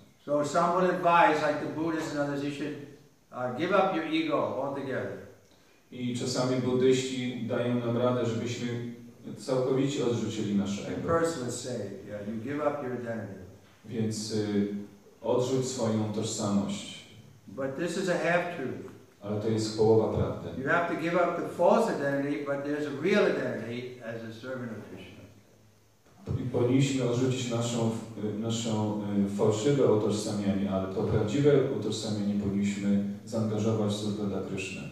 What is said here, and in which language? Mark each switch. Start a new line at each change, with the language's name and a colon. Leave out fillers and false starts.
English: So some would advise, like the Buddhists and others, you should give up your ego altogether.
Polish: I czasami buddyści dają nam radę, żebyśmy całkowicie odrzucili nasze ego.
English: The person would say, yeah, you give up your identity.
Polish: Więc odrzuć swoją tożsamość.
English: But this is a half-truth.
Polish: Ale to jest połowa prawdy.
English: You have to give up the false identity, but there's a real identity as a servant of Krishna.
Polish: I powinniśmy odrzucić naszą fałszywe utożsamianie, ale to prawdziwe utożsamianie powinniśmy zaangażować w służbę dla Krishna.